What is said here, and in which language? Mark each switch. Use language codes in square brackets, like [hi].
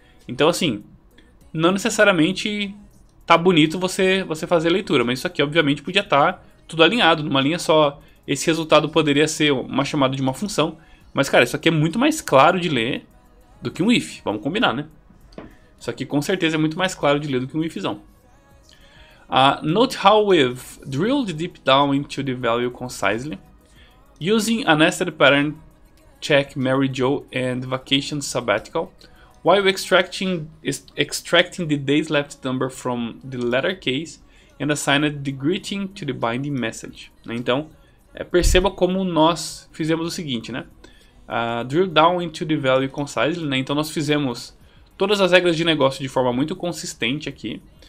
[pt] Então, assim, não necessariamente tá bonito você fazer a leitura, mas isso aqui, obviamente, podia estar tudo alinhado, numa linha só. Esse resultado poderia ser uma chamada de uma função. Mas, cara, isso aqui é muito mais claro de ler do que um if, vamos combinar, né? Isso aqui, com certeza, é muito mais claro de ler do que um ifzão. [en] Note how we've drilled deep down into the value concisely using a nested pattern check Mary Jo and vacation sabbatical while extracting the day's left number from the letter case and assigned the greeting to the binding message. [pt] Então, perceba como nós fizemos o seguinte, né? [en] Drill down into the value concisely, [pt] né? Então, nós fizemos todas as regras de negócio de forma muito consistente aqui.